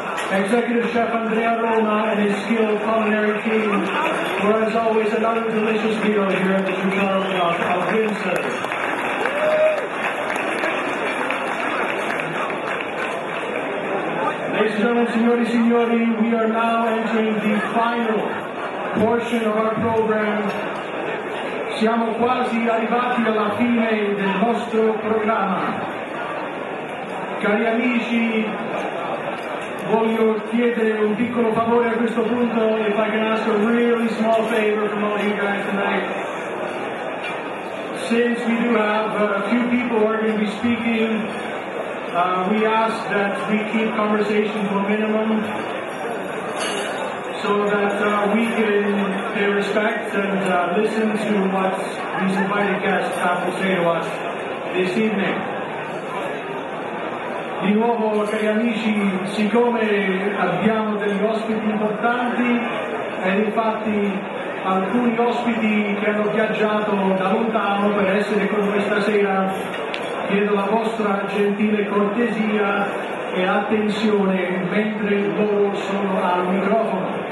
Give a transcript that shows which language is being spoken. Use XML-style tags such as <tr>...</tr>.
<en>Executive Chef Andrea Roma and his skilled culinary team for, as always, another delicious meal here at the Ciociaro Club of Windsor. Ladies and gentlemen,</en> <it>signori, signori,</it> <en>we are now entering the final portion of our program.</en> <it>Siamo quasi arrivati alla fine del nostro programma. Cari amici, voglio chiedere un piccolo favore a questo punto,</it> <en>if I can ask a really small favor from all you guys tonight. Since we do have a few people who are going to be speaking, we ask that we keep conversation to a minimum so that we can pay respect and listen to what these invited guests have to say to us this evening.</en> <it>Di nuovo, cari amici, siccome abbiamo degli ospiti importanti e infatti alcuni ospiti che hanno viaggiato da lontano per essere con noi stasera, chiedo la vostra gentile cortesia e attenzione mentre loro sono al microfono.</it>